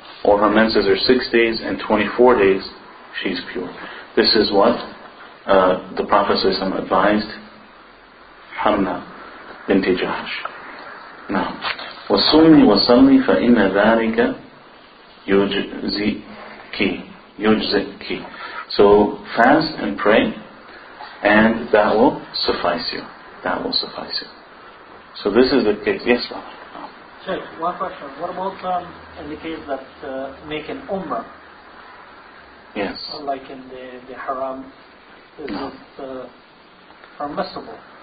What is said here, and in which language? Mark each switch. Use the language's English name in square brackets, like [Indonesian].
[English] Or her menses are 6 days, and 24 days, she's pure. This is what the Prophet ﷺ advised Hamna binti Jahash. Now, [Arabic] وَصُمِّ وَصَلِّ فَإِنَّ ذَٰلِكَ يُجْزِكِ يُجْزِكِ. [English] So, fast and pray, and that will suffice you. That will suffice you. So this is the case. Yes, Father? Sheikh, one question. What about in the case that make an Umrah? Yes. Like in the Haram, is it permissible?